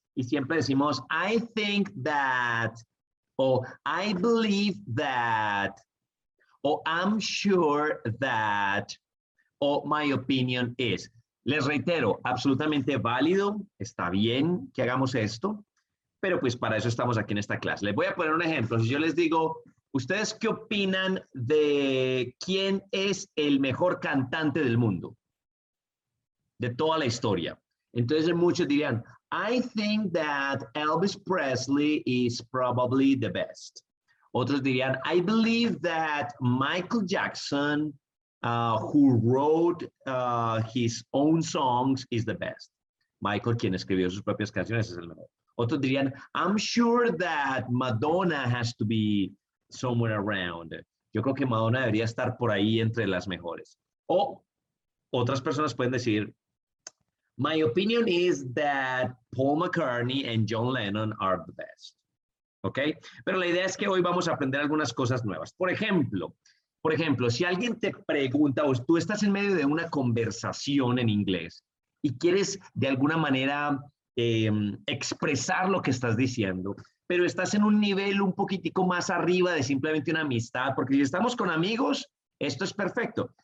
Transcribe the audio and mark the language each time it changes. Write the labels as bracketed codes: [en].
[es] Y siempre decimos [en] I think that, o I believe that, o I'm sure that, o my opinion is. [es] Les reitero, absolutamente válido, está bien que hagamos esto, pero pues para eso estamos aquí en esta clase. Les voy a poner un ejemplo. Si yo les digo, ¿ustedes qué opinan de quién es el mejor cantante del mundo? De toda la historia. Entonces muchos dirían, [en] I think that Elvis Presley is probably the best. [es] Otros dirían, [en] I believe that Michael Jackson, who wrote his own songs, is the best. [es] Michael, quien escribió sus propias canciones, es el mejor. Otros dirían, [en] I'm sure that Madonna has to be somewhere around. [es] Yo creo que Madonna debería estar por ahí entre las mejores. O otras personas pueden decir, [en] my opinion is that Paul McCartney and John Lennon are the best. ¿Ok? [es] Pero la idea es que hoy vamos a aprender algunas cosas nuevas. Por ejemplo, si alguien te pregunta, o tú estás en medio de una conversación en inglés y quieres de alguna manera expresar lo que estás diciendo, pero estás en un nivel un poquitico más arriba de simplemente una amistad, porque si estamos con amigos, esto es perfecto.